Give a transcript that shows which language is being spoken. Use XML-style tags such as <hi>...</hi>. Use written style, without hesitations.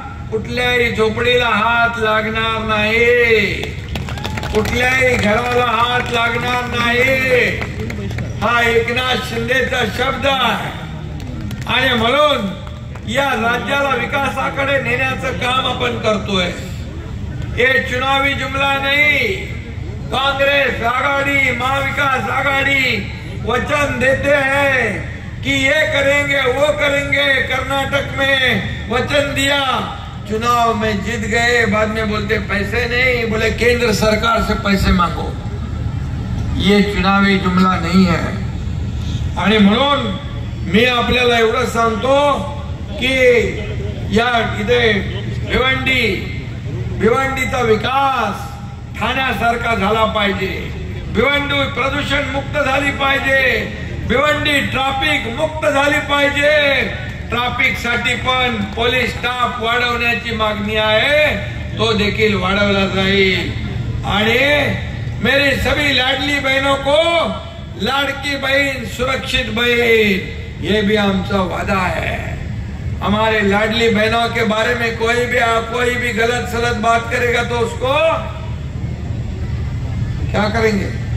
<mr>कुठल्याही झोपडीला हात लागणार नाही, कुठल्याही घराला हात लागणार नाही, हा एकनाथ शिंदेचा शब्द आहे। आणि म्हणून या राज्याला विकासाकडे नेण्याचं काम आपण करतोय। हे चुनावी जुमला नाही,</mr> <hi>काँग्रेस आघाडी, महाविकास आघाडी वचन देते है कि ये करेंगे वो करेंगे, कर्नाटक में वचन दिया, चुनाव में जीत गए, बाद में बोलते पैसे नहीं, बोले केंद्र सरकार से पैसे मांगो, ये चुनावी जुमला नहीं है।</hi> <mr>आणि म्हणून मी आपल्याला एवढं सांगतो कि या इथे भिवंडी, भिवंडीचा विकास ठाण्यासारखा झाला पाहिजे, भिवंडी प्रदूषण मुक्त झाली पाहिजे, भिवंडी ट्रॅफिक मुक्त झाली पाहिजे। ट्रॅफिक साठी पण पोलीस स्टाफ वाढवण्याची मागणी आहे, तो देखील वाढवला जाईल। आणि</mr> <hi>मेरी सभी लाडली बहिणों को</hi> <mr>लाडकी बहीण सुरक्षित बहीण, हे भी आमचा वादा आहे।</mr> <hi>हमारे लाडली बहनों के बारे में कोई भी गलत सलत बात करेगा तो उसको क्या करेंगे?</hi>